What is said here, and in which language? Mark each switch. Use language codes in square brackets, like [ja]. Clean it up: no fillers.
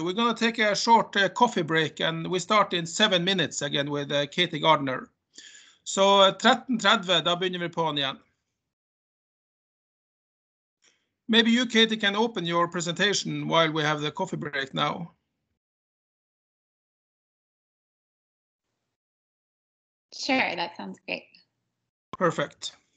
[en] We're going to take a short coffee break, and we start in 7 minutes again with Katie Gardner. [no] Så 13:30, da begynner vi på den igjen. [en] Maybe you, Katie, can open your presentation while we have the coffee break now. Sure, that sounds great. Perfect.